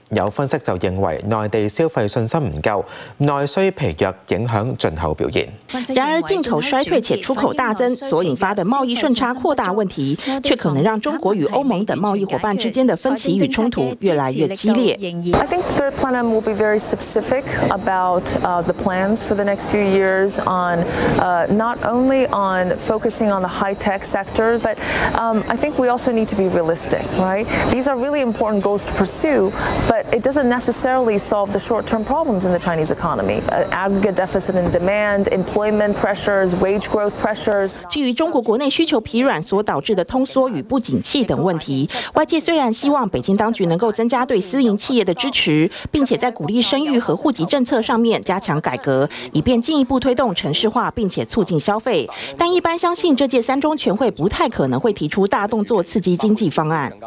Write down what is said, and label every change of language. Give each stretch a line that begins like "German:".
Chinese: 有分析就认为内地消费信心不够，内需疲弱影响进口表现。然而进口衰退且出口大增所引发的贸易顺差扩大问题，却可能让中国与欧盟等贸易伙伴之间的分歧与冲突越来越激烈。
English: I think the third plenum will be very specific about the plans for the next few years on not only on focusing on the high tech sectors, but I think we also need to be realistic, right? These are really important goals to pursue. But it doesn't necessarily solve the short-term problems in the Chinese economy. Aggregate deficit in demand, employment pressures, wage growth pressures.
Chinese: 至于中国国内需求疲软所导致的通缩与不景气等问题，外界虽然希望北京当局能够增加对私营企业的支持，并且在鼓励生育和户籍政策上面加强改革，以便进一步推动城市化并且促进消费，但一般相信这届三中全会不太可能会提出大动作刺激经济方案。